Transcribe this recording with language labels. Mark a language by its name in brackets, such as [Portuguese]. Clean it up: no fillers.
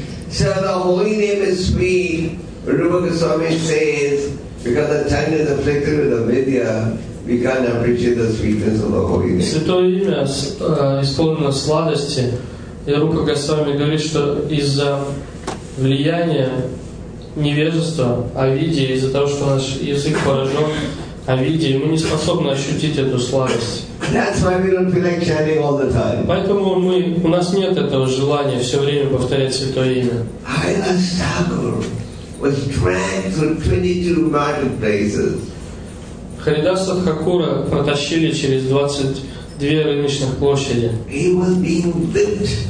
[English] So the holy name is sweet, Rupa Goswami says, because the tongue is afflicted with avidya, we can't appreciate the sweetness of the holy name. [Russian] Святое имя исполнено сладости, и Рупа Госвами говорит, что из-за влияния невежества, авидии, из-за того, что наш язык поражен авидией, мы не способны ощутить эту сладость. [English] That's why we don't feel like chanting all the time. [Russian] Поэтому мы, у нас нет этого желания все время повторять Святое Имя. [English] Kailas Thakur was dragged through 22 marketplaces. [Russian] Харидаса Хакура протащили через 22 рыночных площади. [English] He was being whipped.